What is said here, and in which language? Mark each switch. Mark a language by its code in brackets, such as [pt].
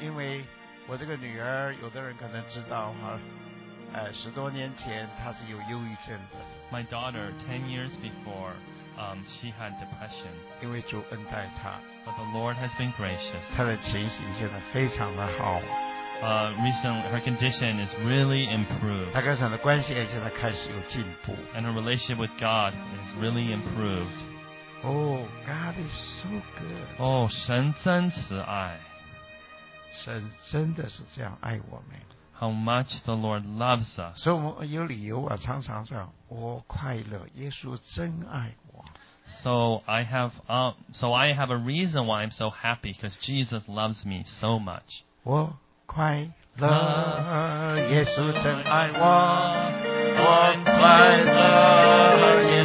[zh] 因为我这个女儿，有的人可能知道哈，十多年前她是有忧郁症的。 [en] My daughter, 10 years before, she had depression. [zh] 因为主恩待她。 [en] But the Lord has been gracious. [zh] 她的情形现在非常的好。 [en] Recently, her condition is really improved. [zh] 她跟神的关系也现在开始有进步。 [en] And her relationship with God is really improved. Oh, God is so good. [zh] Oh, 神真慈爱。神真的是这样爱我们。 [en] How much the Lord loves us. [zh] 所以我们有理由啊，常常说，我快乐，耶稣真爱我。 [en] So I have a reason why I'm so happy, because Jesus loves me so much. [zh] 我快乐，耶稣真爱我。我快乐。